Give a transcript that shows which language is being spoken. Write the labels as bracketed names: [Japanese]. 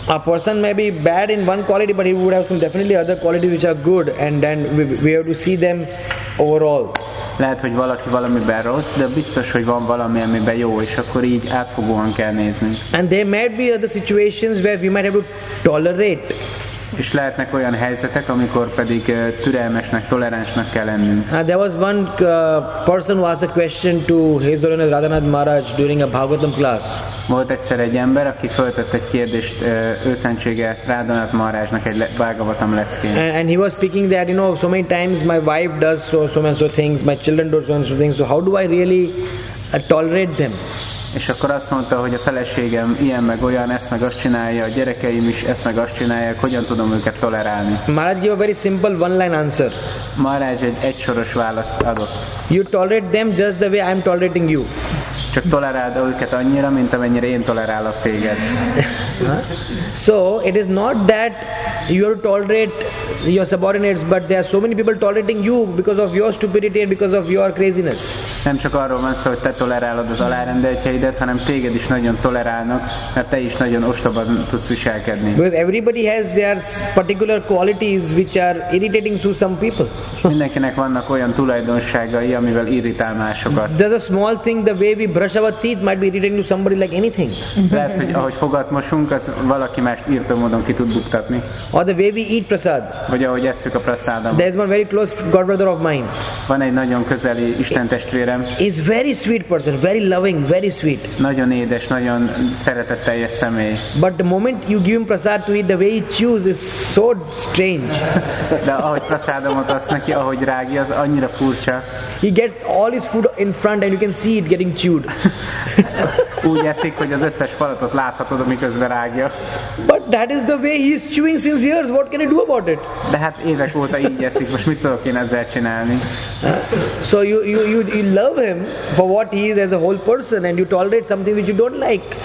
[English] A person may be bad in one quality, but he would have some definitely other qualities which are good, and then we have to see them overall. [Hungarian] Lehet, hogy valaki valamiben rossz, de biztos, hogy van valami, amiben jó, és akkor így átfogóan kell nézni. [English] And there may be other situations where we might have to tolerate. [Hungarian] És lehetnek olyan helyzetek, amikor pedig türelmesnek, toleránsnak kell lennünk. [English] There was one person who asked a question to His Holiness Radhanath Maharaj during a Bhagavatam class. [Hungarian] Volt egyszer egy ember, aki föltett egy kérdést őszentsége Radhanath Maharajnak egy Bhagavatam leckén. [English] And he was speaking that, you know, so many times my wife does so and so things, my children do so and so things, so how do I really tolerate them? [Hungarian] És akkor azt mondta, hogy a feleségem ilyen meg olyan, ezt meg azt csinálja, a gyerekeim is ezt meg azt csinálják, hogyan tudom őket tolerálni. [English] Maharaj gave a very simple one-line answer. [Hungarian] Maharaj egy egysoros választ adott. [English] You tolerate them just the way I'm tolerating you. [Hungarian] Csak toleráld őket annyira, mint amennyire én tolerálok téged. [English] So it is not that you have to tolerate your subordinates, but there are so many people tolerating you because of your stupidity and because of your craziness. [Hungarian] Nem csak arról van szó, hogy te tolerálod az alárendeltjeidet, hanem téged is nagyon tolerálnak, mert te is nagyon ostoban tudsz viselkedni. [English] Because everybody has their particular qualities which are irritating to some people. [Hungarian] Mindenkinek vannak olyan tulajdonságai, amivel irritál másokat. [English] There's a small thing, the way we brush our teeth might be irritating to somebody like anything. [Hungarian] Lehet, hogy ahogy fogat mosunk, az valaki mást írtó módon ki tud buktatni. [English] Or the way we eat prasad. [Hungarian] Vagy ahogy esszük a prasadam. [English] There's one very close godbrother of mine. [Hungarian] Van egy nagyon közeli Isten testvérem. [English] He's very sweet person, very loving, very sweet. [Hungarian] Nagyon édes, nagyon szeretetteljes személy. [English] But the moment you give him prasad to eat, the way he chews is so strange. [Hungarian] De ahogy prasadamot adsz neki, ahogy rágja, az annyira furcsa. [English] He gets all his food in front and you can see it getting chewed. [Hungarian] Úgy eszik, hogy az összes falatot láthatod, miközben rágja. [English] But that is the way he is chewing since years. What can I do about it? [Hungarian] De hát évek óta így eszik. Most mit tudok én ezzel csinálni? [English] So you love him for what he is as a whole person, and you tolerate something which you don't like.